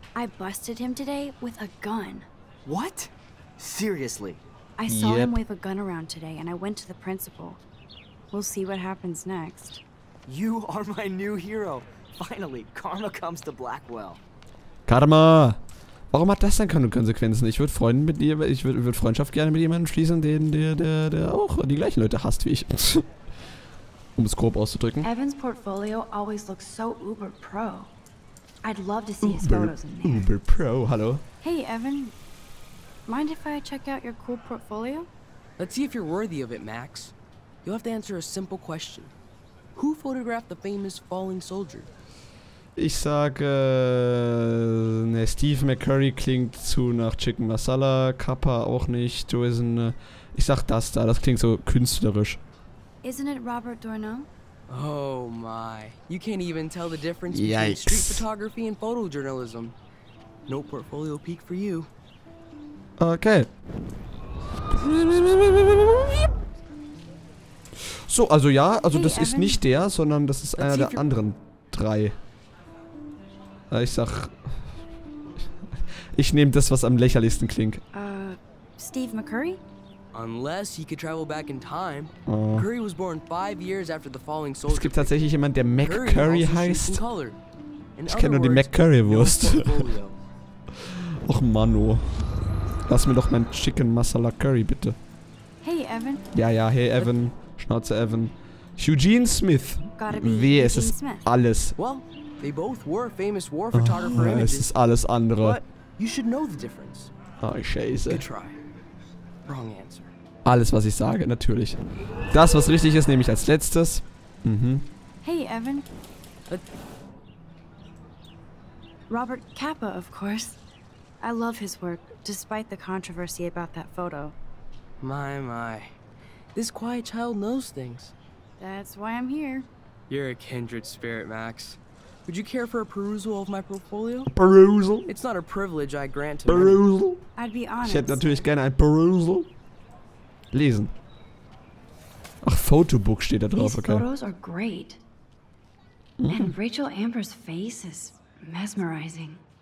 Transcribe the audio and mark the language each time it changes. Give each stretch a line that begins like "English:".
English: I busted him today with a gun. What? Seriously? I saw him wave a gun around today and I went to the principal. We'll see what happens next. You are my new hero. Finally, karma comes to Blackwell. Karma!
German: Warum hat das denn keine Konsequenzen? Ich würde Freunde mit dir, ich würde würd Freundschaft gerne mit jemandem schließen, der auch die gleichen Leute hasst wie ich. Um es grob auszudrücken.
English: Evan's portfolio always looks so uber pro. I'd love to see his photos in there.
German: Uber pro, hallo.
English: Hey Evan, mind if I check out your cool portfolio? Let's see if you're worthy of it, Max. You'll have to answer a simple question. Who photographed the famous falling soldier?
German: Ich sag, ne, Steve McCurry klingt zu nach Chicken Masala, Kappa auch nicht, Jason, ich sag das da, das klingt so künstlerisch.
English: Isn't it Robert Dornau? Oh my, you can't even tell the difference between street photography and photojournalism. No portfolio peak for you. Okay.
German: So, also ja, also hey, das Evan. Ist nicht der, sondern das ist Let's einer der anderen drei. Ich nehme das, was am lächerlichsten klingt.
English: Steve McCurry? Unless he could travel back in time. Oh. Curry was born 5 years after the falling soldier.
German: Es gibt tatsächlich jemanden, der McCurry heißt. Ich kenne nur die McCurry-Wurst. Och Manu. Lass mir doch mein Chicken Masala Curry, bitte.
English: Hey Evan.
German: Ja, hey Evan. Schnauze Evan. Eugene Smith. Wehe, es ist alles.
English: Well, they both were famous war photographer images.
German: Es ist alles andere.
English: But you should know the difference.
German: Oh, scheiße.
English: Good try. Wrong answer.
German: Alles, was ich sage, natürlich. Das, was richtig ist, nehme ich als letztes. Mhm.
English: Hey, Evan. Robert Capa, of course. I love his work, despite the controversy about that photo. My. This quiet child knows things. That's why I'm here. You're a kindred spirit, Max. Would you care for a perusal of my portfolio? Perusal? It's not a privilege I grant to perusal? Many. I'd be honest.
German: Ich hätte natürlich gerne ein Perusal. Lesen. Ach, Photobook steht da drauf,
English: these okay. Photos are great. Mhm. And Rachel Amber's face is mesmerizing.